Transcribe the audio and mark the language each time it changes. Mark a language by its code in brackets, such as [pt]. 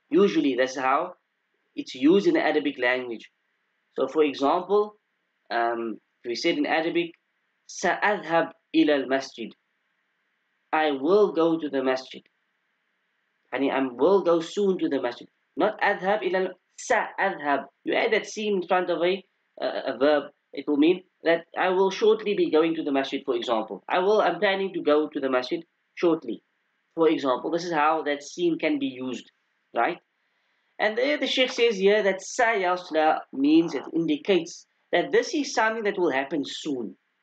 [en] Usually, that's how it's used in the Arabic language. So, for example, we said in Arabic, [ar] سَأَذْهَبْ إِلَى الْمَسْجِدِ. [en] I will go to the masjid. And I will go soon to the masjid. Not [ar] أَذْهَبْ إِلَى سَأَذْهَبْ. [en] You add that scene in front of a verb, it will mean that I will shortly be going to the masjid, for example. I'm planning to go to the masjid shortly. For example, this is how that scene can be used, right? And there the Shaykh says here that sayasla means, it indicates that this is something that will happen soon.